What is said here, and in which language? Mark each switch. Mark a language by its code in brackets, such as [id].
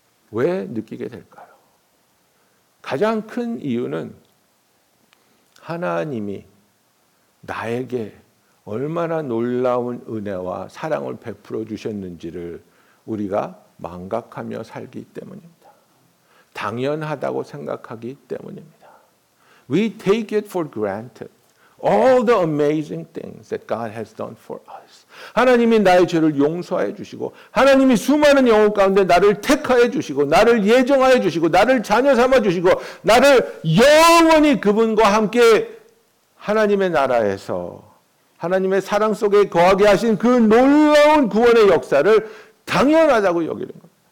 [ko] 왜 느끼게 될까요? 가장 큰 이유는 하나님이 나에게 얼마나 놀라운 은혜와 사랑을 베풀어 주셨는지를 우리가 망각하며 살기 때문입니다. 당연하다고 생각하기 때문입니다. [en] We take it for granted. All the amazing things that God has done for us. [ko] 하나님이 나의 죄를 용서해 주시고 하나님이 수많은 영혼 가운데 나를 택하여 주시고 나를 예정하여 주시고 나를 자녀 삼아 주시고 나를 영원히 그분과 함께 하나님의 나라에서 하나님의 사랑 속에 거하게 하신 그 놀라운 구원의 역사를 당연하다고 여기는 겁니다.